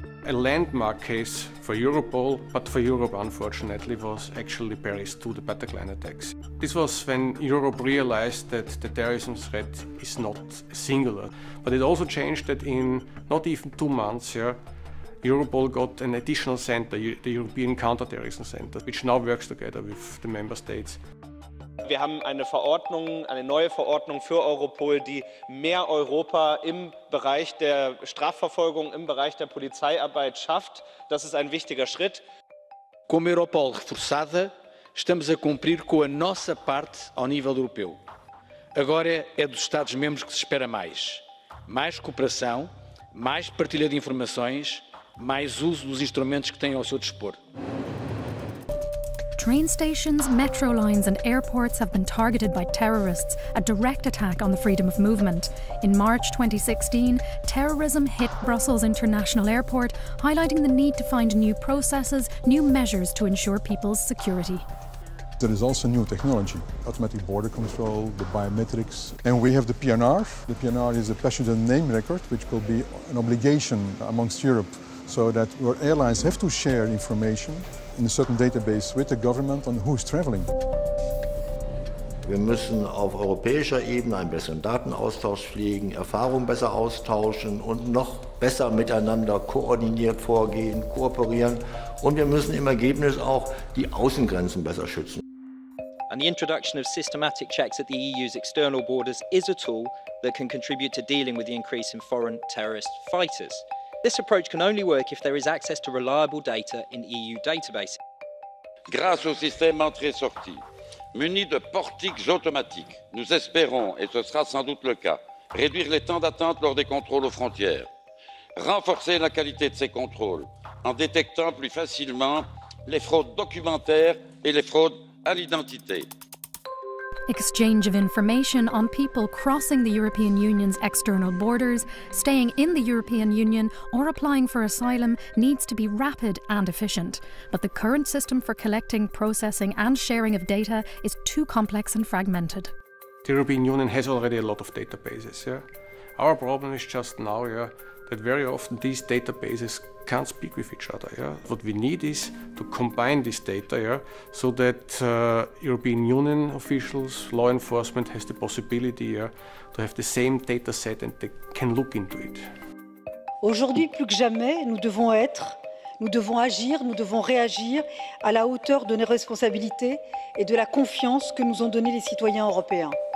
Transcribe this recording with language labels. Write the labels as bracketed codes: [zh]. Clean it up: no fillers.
[en] A landmark case for Europol, but for Europe unfortunately, was actually Paris 2, the Bataclan attacks. This was when Europe realized that the terrorism threat is not singular. But it also changed that in not even 2 months here, Europol got an additional center, the European Counterterrorism Center, which now works together with the member states. [de] Wir haben eine Verordnung, eine neue Verordnung für Europol, die mehr Europa im Bereich der Strafverfolgung, im Bereich der Polizeiarbeit schafft. Das ist ein wichtiger Schritt. [pt] Como Europol reforçada, estamos a cumprir com a nossa parte ao nível europeu. Agora é dos Estados-membros que se espera mais. Mais cooperação, mais partilha de informações, mais uso dos instrumentos que têm ao seu dispor. [en] Train stations, metro lines and airports have been targeted by terrorists, a direct attack on the freedom of movement. In March 2016, terrorism hit Brussels International Airport, highlighting the need to find new processes, new measures to ensure people's security. There is also new technology, automatic border control, the biometrics, and we have the PNR. The PNR is a passenger name record, which will be an obligation amongst Europe, so that our airlines have to share information in a certain database with the government on who's traveling. [de] Wir müssen auf europäischer Ebene einen besseren Datenaustausch pflegen, Erfahrungen besser austauschen und noch besser miteinander koordiniert vorgehen, kooperieren. Und wir müssen im Ergebnis auch die Außengrenzen besser schützen. [en] And the introduction of systematic checks at the EU's external borders is a tool that can contribute to dealing with the increase in foreign terrorist fighters. This approach can only work if there is access to reliable data in EU databases. [fr] Grâce au système entrée-sortie, muni de portiques automatiques, nous espérons, et ce sera sans doute le cas, réduire les temps d'attente lors des contrôles aux frontières, renforcer la qualité de ces contrôles en détectant plus facilement les fraudes documentaires et les fraudes à l'identité. [en] Exchange of information on people crossing the European Union's external borders, staying in the European Union or applying for asylum needs to be rapid and efficient. But the current system for collecting, processing and sharing of data is too complex and fragmented. The European Union has already a lot of databases. Yeah? Our problem is just now that very often these databases can't speak with each other. Yeah? What we need is to combine this data so that European Union officials, law enforcement has the possibility to have the same data set and they can look into it. [fr] Aujourd'hui, plus que jamais, nous devons être, nous devons agir, nous devons réagir à la hauteur de nos responsabilités et de la confiance que nous ont donné les citoyens européens.